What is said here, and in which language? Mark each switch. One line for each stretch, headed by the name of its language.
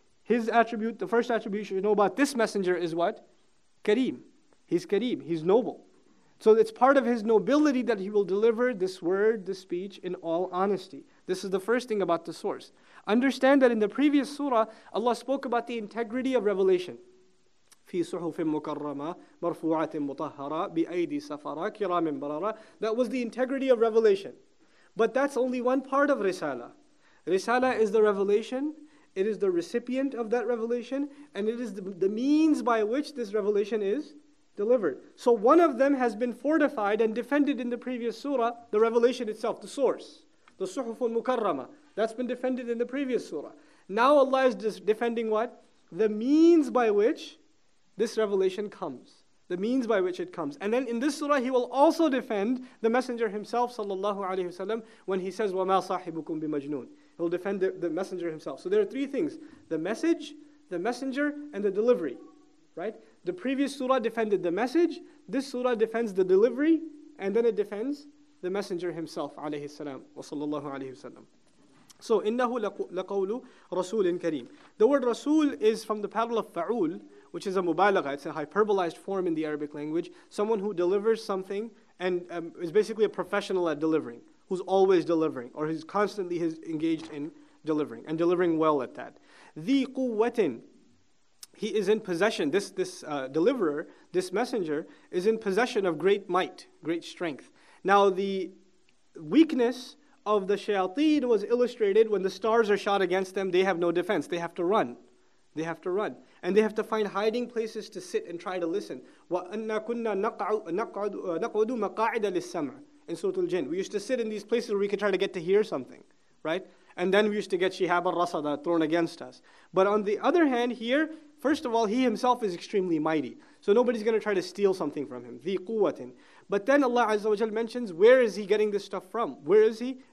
English: His attribute, the first attribute you should know about this messenger is what? Kareem. He's Kareem. He's noble. So it's part of his nobility that he will deliver this word, this speech, in all honesty. This is the first thing about the source. Understand that in the previous surah, Allah spoke about the integrity of revelation.
Arabic: في صحف مكرمة مرفوعة مطهرة بأيدي سفرة كرام بررة.
English: That was the integrity of revelation. But that's only one part of Risala. Risala is the revelation, it is the recipient of that revelation, and it is the means by which this revelation is delivered. So one of them has been fortified and defended in the previous surah, the revelation itself, the source. The suhufun mukarrama, that's been defended in the previous surah. Now Allah is defending what? The means by which this revelation comes. The means by which it comes. And then in this surah, he will also defend the messenger himself, sallallahu alayhi wa sallam, when he says,
Arabic: وَمَا صَاحِبُكُمْ بِمَجْنُونَ.
English: He'll defend the messenger himself. So there are three things. The message, the messenger, and the delivery. Right? The previous surah defended the message. This surah defends the delivery. And then it defends the messenger himself, alayhi salam, wa sallallahu alayhi wa sallam.
Arabic: So, إِنَّهُ لَقَوْلُ رَسُولٍ كَرِيمٍ.
English: The word Rasul is from the plural of fa'ul, which is a mubalagha. It's a hyperbolized form in the Arabic language. Someone who delivers something and is basically a professional at delivering. who's always delivering, or he's constantly engaged in delivering, and delivering well at that. Dhi quwwatin, he is in possession, this deliverer, this messenger, is in possession of great might, great strength. Now the weakness of the shayateen was illustrated when the stars are shot against them, they have no defense, they have to run. They have to run. And they have to find hiding places to sit and try to listen.
Arabic: وَأَنَّا كُنَّا نَقْعُدُ مَقَاعِدَ لِلسَّمْعِ
English: In Surah Al-Jinn. We used to sit in these places where we could try to get to hear something. Right? And then we used to get shihab al-rasada thrown against us. But on the other hand here, first of all, he himself is extremely mighty. So nobody's going to try to steal something from him.
Arabic: ذِي قُوَّةٍ
English: But then Allah Azza wa Jal mentions, where is he getting this stuff from? Where is he?